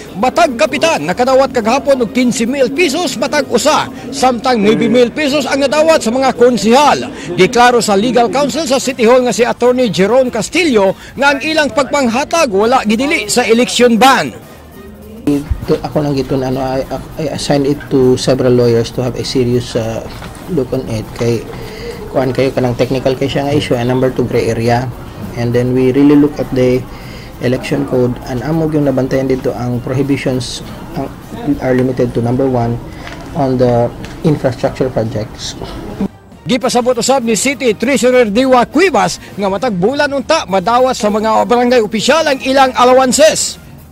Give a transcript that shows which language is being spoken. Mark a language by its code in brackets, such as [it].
[ceb] Matag kapitan nakadawat kagahapon og 15,000 pesos matag usa, samtang 9,000 pesos ang nadawat sa mga konsehal. Deklaro sa legal counsel sa City Hall nga si Attorney Jerome Castillo nga ang ilang pagpanghatag wala gidili sa election ban. [tl] Ako lang ito, [en] I assign it to several lawyers to have a serious look on it. [ceb] Kay kuan kayo kanang technical kay siya nga issue, [en] and number 2 gray area. And then we really look at the election code and [tl] amog yung nabantayan dito ang [en] prohibitions are limited to number 1 on the infrastructure projects. [ceb] Gipasabot usab ni City Treasurer Diwa Cuevas nga matag bulan unta madawat sa mga barangay opisyal ang ilang allowances.